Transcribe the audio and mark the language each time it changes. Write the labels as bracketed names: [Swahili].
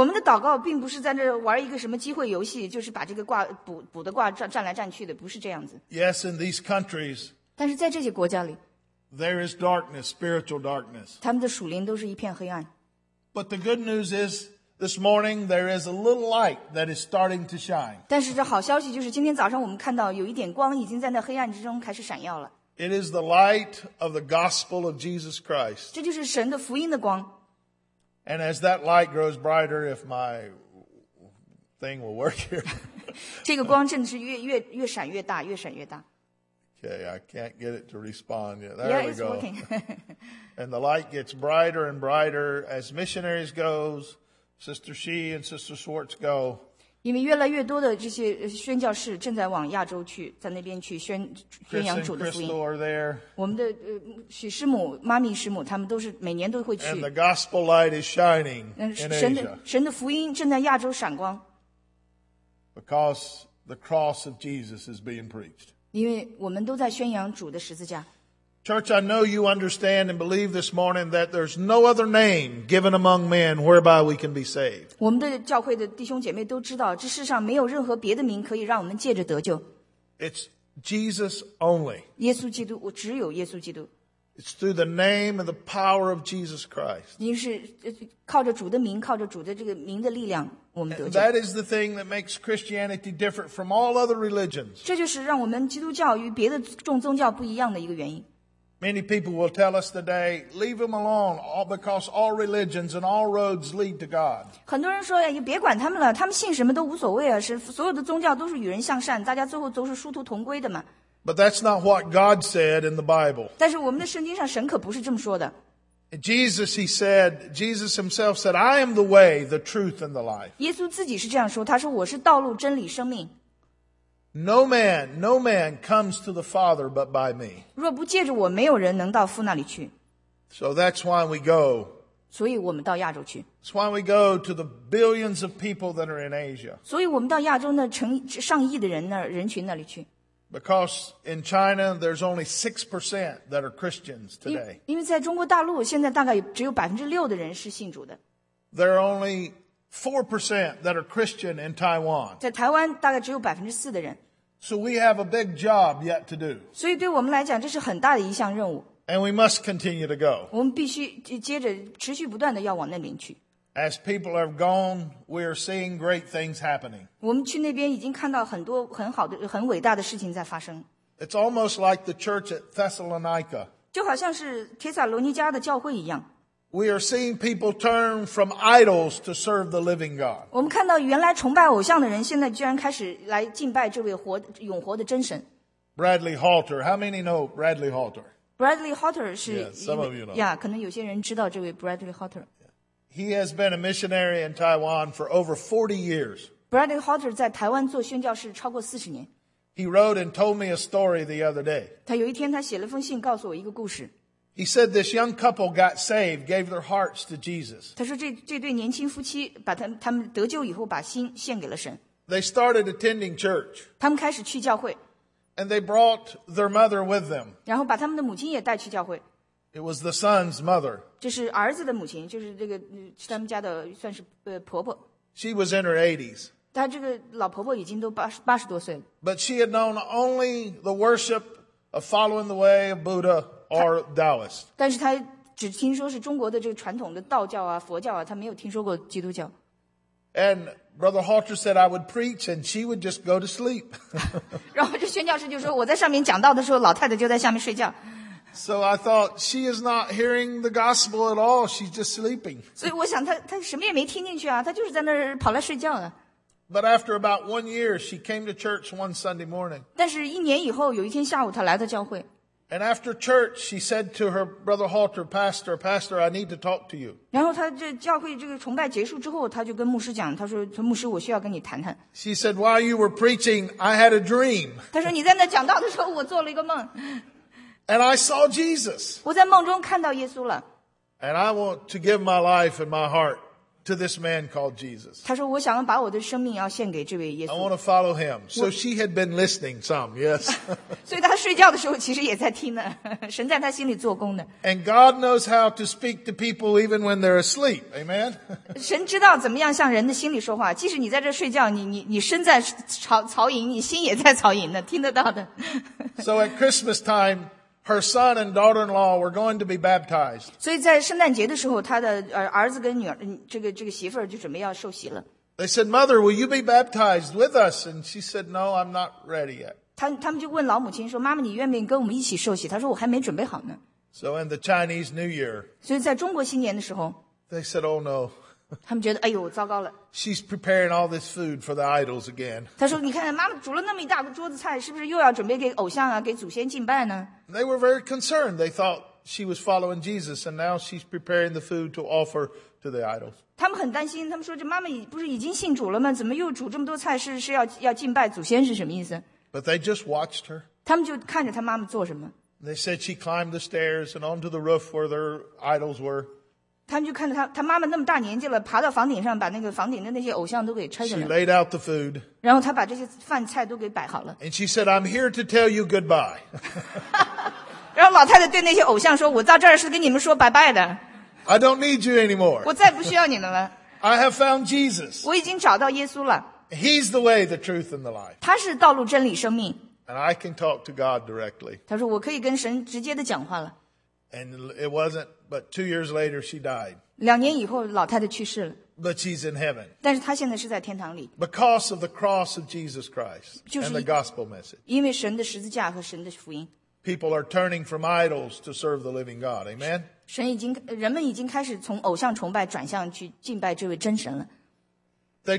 [Chinese] 我们的祷告并不是在那玩一个什么机会游戏，就是把这个卦卜的卦占来占去的，不是这样子。 [English] Yes, in these countries. [Chinese] 但是在这些国家里。 [English] There is darkness, spiritual darkness. [Chinese] 他们的属灵都是一片黑暗。 [English] But the good news is, this morning there is a little light that is starting to shine. [Chinese] 但是这好消息就是今天早上我们看到有一点光已经在那黑暗之中开始闪耀了。 [English] It is the light of the gospel of Jesus Christ. [Chinese] 这就是神的福音的光。 [English] And as that light grows brighter, if my thing will work here. [Chinese] 这个光真的是越闪越大，越闪越大。 [English] Okay, I can't get it to respond yet. There we go. And the light gets brighter and brighter as missionaries go, Sister Shi and Sister Schwartz go. [Chinese] 因为越来越多的这些宣教士正在往亚洲去，在那边去宣扬主的福音。我们的许师母、妈咪师母，他们都是每年都会去。 [English] And the gospel light is shining in Asia. [Chinese] 神的福音正在亚洲闪光。 [English] Because the cross of Jesus is being preached. [Chinese] 因为我们都在宣扬主的十字架。 [English] Church, I know you understand and believe this morning that there's no other name given among men whereby we can be saved. [Chinese] 我们的教会的弟兄姐妹都知道，这世上没有任何别的名可以让我们借着得救。 [English] It's Jesus only. [Chinese] 耶稣基督，我只有耶稣基督。 [English] It's through the name and the power of Jesus Christ. [Chinese] 您是靠着主的名，靠着主的这个名的力量，我们得救。 [English] That is the thing that makes Christianity different from all other religions. [Chinese] 这就是让我们基督教与别的众宗教不一样的一个原因。 [English] Many people will tell us today, leave them alone, because all religions and all roads lead to God. [Chinese] 很多人说呀，别管他们了，他们信什么都无所谓啊，是所有的宗教都是与人向善，大家最后都是殊途同归的嘛。 [English] But that's not what God said in the Bible. [Chinese] 但是我们的圣经上神可不是这么说的。 [English] Jesus, he said, Jesus himself said, I am the way, the truth, and the life. [Chinese] 耶稣自己是这样说，他说我是道路、真理、生命。 [English] No man comes to the Father but by me. [Chinese] 若不借着我，没有人能到父那里去。 [English] So that's why we go. [Chinese] 所以我们到亚洲去。 [English] That's why we go to the billions of people that are in Asia. [Chinese] 所以我们到亚洲那成上亿的人那人群那里去。 [English] Because in China, there's only 6% that are Christians today. [Chinese] 因为在中国大陆，现在大概只有6%的人是信主的。 [English] There are only 4% that are Christian in Taiwan. [Chinese] 在台湾大概只有4%的人。 [English] So we have a big job yet to do. [Chinese] 所以对我们来讲，这是很大的一项任务。 [English] And we must continue to go. [Chinese] 我们必须接着持续不断的要往那边去。 [English] As people have gone, we are seeing great things happening. [Chinese] 我们去那边已经看到很多很好的、很伟大的事情在发生。 [English] It's almost like the church at Thessalonica. [Chinese] 就好像是帖撒罗尼迦的教会一样。 [English] We are seeing people turn from idols to serve the living God. [Chinese] 我们看到原来崇拜偶像的人，现在居然开始来敬拜这位活、永活的真神。 [English] Bradley Halter, how many know Bradley Halter? [Chinese] Bradley Halter 是 [English] some of you know. [Chinese] Yeah, 可能有些人知道这位 Bradley Halter。 [English] He has been a missionary in Taiwan for over 40 years. [Chinese] Bradley Halter 在台湾做宣教士超过40年。 [English] He wrote and told me a story the other day. [Chinese] 他有一天他写了封信告诉我一个故事。 [English] He said this young couple got saved, gave their hearts to Jesus. [Chinese] 他说这对年轻夫妻把他们得救以后把心献给了神。 [English] They started attending church. [Chinese] 他们开始去教会。 [English] And they brought their mother with them. [Chinese] 然后把他们的母亲也带去教会。 [English] It was the son's mother. [Chinese] 这是儿子的母亲，就是这个他们家的算是婆婆。 [English] She was in her 80s. [Chinese] 她这个老婆婆已经都八十多岁了。 [English] But she had known only the worship of following the way of Buddha or Taoist. [Chinese] 但是她只听说是中国的这个传统的道教啊、佛教啊，她没有听说过基督教。 [English] And Brother Halter said I would preach, and she would just go to sleep. [Chinese] 然后这宣教士就说我在上面讲道的时候，老太太就在下面睡觉。 [English] So I thought she is not hearing the gospel at all. She's just sleeping. [Chinese] 所以我想她什么也没听进去啊，她就是在那儿跑来睡觉呢。 [English] But after about 1 year, she came to church one Sunday morning. [Chinese] 但是一年以后，有一天下午，她来到教会。 [English] And after church, she said to her brother Halter, Pastor, I need to talk to you. [Chinese] 然后她这教会这个崇拜结束之后，她就跟牧师讲，她说牧师，我需要跟你谈谈。 [English] She said, while you were preaching, I had a dream. [Chinese] 她说你在那讲道的时候，我做了一个梦。 [English] And I saw Jesus. [Chinese] 我在梦中看到耶稣了。 [English] And I want to give my life and my heart to this man called Jesus. [Chinese] 他说我想把我的生命要献给这位耶稣。 [English] I want to follow him. So she had been listening some, yes. [Chinese] 所以他睡觉的时候其实也在听呢，神在他心里做工呢。 [English] And God knows how to speak to people even when they're asleep. Amen. [Chinese] 神知道怎么样向人的心里说话，即使你在这睡觉，你身在曹营，你心也在曹营呢，听得到的。 [English] So at Christmas time,Her son and daughter-in-law were going to be baptized. [Chinese] 所以在圣诞节的时候，他的儿子跟女儿，这个媳妇儿就准备要受洗了。 [English] They said, "Mother, will you be baptized with us?" And she said, "No, I'm not ready yet." [Chinese] 他们就问老母亲说：“妈妈，你愿不愿意跟我们一起受洗？”她说：“我还没准备好呢。 [English] ”So in the Chinese New Year. [Chinese] 所以在中国新年的时候 [English] ，They said, "Oh no." [Chinese] 他们觉得哎呦，糟糕了。 [English] She's preparing all this food for the idols again. [Chinese] 他说：“你看，妈妈煮了那么一大桌子菜，是不是又要准备给偶像啊，给祖先敬拜呢？” [English] They were very concerned. They thought she was following Jesus, and now she's preparing the food to offer to the idols. [Chinese] 他们很担心, 他们说这妈妈不是已经信主了吗?怎么又煮这么多菜, 是要敬拜祖先, 是什么意思? [English] But they just watched her. [Chinese] 他们就看着他妈妈做什么? [English] They said she climbed the stairs and onto the roof where their idols were. [Chinese] 他们就看着他妈妈那么大年纪了, 爬到房顶上, 把那个房顶的那些偶像都给拆下来。 [English] She laid out the food. [Chinese] 然后他把这些饭菜都给摆好了。 [English] And she said, I'm here to tell you goodbye. [Chinese] 然后老太太对那些偶像说, 我到这儿是跟你们说拜拜的。 [English] I don't need you anymore. [Chinese] 我再不需要你们了。 [English] I have found Jesus. [Chinese] 我已经找到耶稣了。 [English] He's the way, the truth, and the life. [Chinese] 他是道路真理生命。 [English] And I can talk to God directly. [Chinese] 他说我可以跟神直接的讲话了。 [English] And it wasn't, but 2 years later she died. [Chinese] 2年以后老太太去世了。 [English] But she's in heaven. [Chinese] 但是她现在是在天堂里。 [English] Because of the cross of Jesus Christ and the gospel message. [Chinese] 因为神的十字架和神的福音。 [English] People are turning from idols to serve the living God. Amen? [Chinese] 人们已经开始从偶像崇拜转向去敬拜这位真神了。They